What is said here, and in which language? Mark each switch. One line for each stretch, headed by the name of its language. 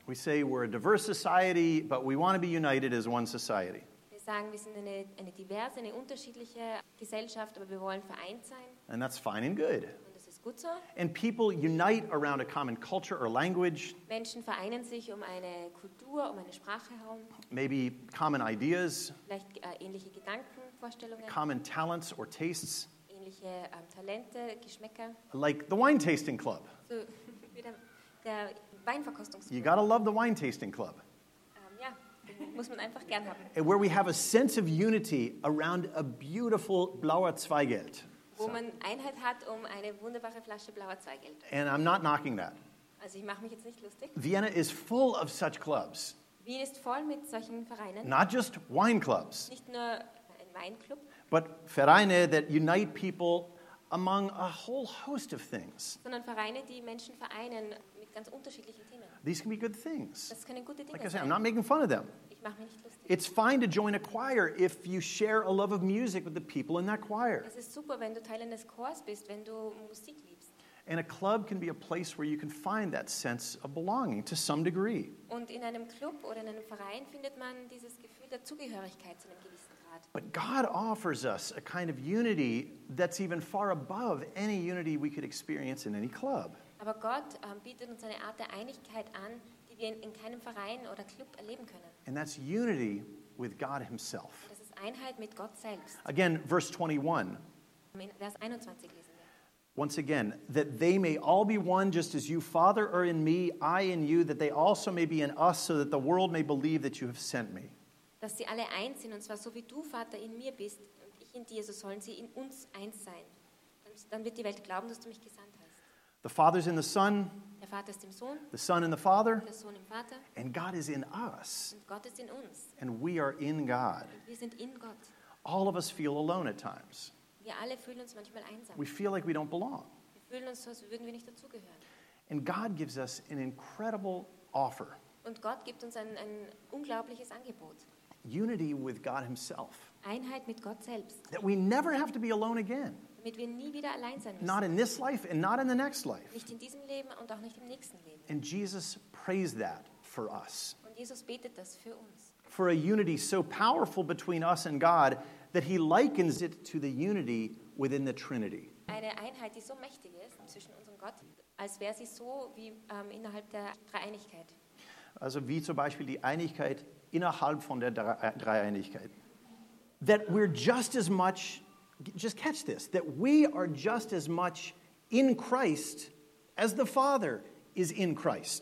English: We say we're a diverse society, but we want to be united as one society.
German: Wir sagen, wir sind eine diverse, eine unterschiedliche Gesellschaft, aber wir wollen vereint sein.
English: And that's fine and good.
German: Und das ist gut so.
English: And people unite around a common culture or language.
German: Menschen vereinen sich um eine Kultur, um eine Sprache herum.
English: Maybe common ideas.
German: Vielleicht ähnliche Gedanken, Vorstellungen.
English: Common talents or tastes.
German: Ähnliche Talente, Geschmäcker.
English: Like the wine tasting club.
German: So, wie der Weinverkostungsclub.
English: You gotta love the wine tasting club.
German: Ja, muss man einfach gern haben.
English: And where we have a sense of unity around a beautiful blauer Zweigelt.
German: Wo man Einheit hat um eine wunderbare Flasche blauer Zweigelt.
English: And I'm not knocking that.
German: Also ich mache mich jetzt nicht lustig.
English: Vienna is full of such clubs.
German: Wien ist voll mit solchen Vereinen.
English: Not just wine clubs.
German: Nicht nur ein Weinclub.
English: But Vereine that unite people among a whole host of things.
German: Sondern Vereine, die Menschen vereinen mit ganz unterschiedlichen Themen.
English: These can be good things.
German: Das können gute Dinge
English: like I say,
German: sein.
English: I'm not making fun of them.
German: Ich mach mich nicht lustig.
English: It's fine to join a choir if you share a love of music with the people in that choir.
German: Es ist super, wenn du Teil eines Chors bist, wenn du Musik liebst.
English: And a club can be a place where you can find that sense of belonging to some degree.
German: Und in einem Club oder in einem Verein findet man dieses Gefühl der Zugehörigkeit zu einem gewissen.
English: But God offers us a kind of unity that's even far above any unity we could experience in any club.
German: Aber Gott bietet uns eine Art der Einigkeit an, die wir in keinem Verein oder Club erleben können.
English: And that's unity with God himself.
German: Das ist Einheit mit Gott selbst.
English: Again, verse 21.
German: In Vers 21 lesen wir.
English: Once again, that they may all be one, just as you, Father, are in me, I in you, that they also may be in us, so that the world may believe that you have sent me.
German: Dass sie alle eins sind, und zwar so wie du, Vater, in mir bist und ich in dir, so sollen sie in uns eins sein. Dann wird die Welt glauben, dass du mich gesandt hast.
English: The Father's in the Son.
German: Der Vater ist im Sohn.
English: The Son in the Father.
German: Der Sohn im Vater.
English: And God is in us.
German: Und Gott ist in uns.
English: And we are in God.
German: Und wir sind in Gott.
English: All of us feel alone at times.
German: Wir alle fühlen uns manchmal einsam.
English: We feel like we don't belong.
German: Wir fühlen uns so, als würden wir nicht dazugehören.
English: And God gives us an incredible offer.
German: Und Gott gibt uns ein unglaubliches Angebot.
English: Unity with God himself.
German: Einheit mit Gott selbst.
English: That we never have to be alone again.
German: Damit wir nie wieder allein sein müssen.
English: Not in this life and not in the next life.
German: Nicht in diesem Leben und auch nicht im nächsten Leben.
English: And Jesus prays that for us.
German: Und Jesus betet das für uns.
English: For a unity so powerful between us and God that he likens it to the unity within the Trinity.
German: Eine Einheit, die so mächtig ist zwischen uns und Gott, als wäre sie so wie innerhalb der Dreieinigkeit. Also wie zum Beispiel die Einigkeit innerhalb von der Dreieinigkeit.
English: That we're just as much, just catch this, that we are just as much in Christ as the Father is in Christ.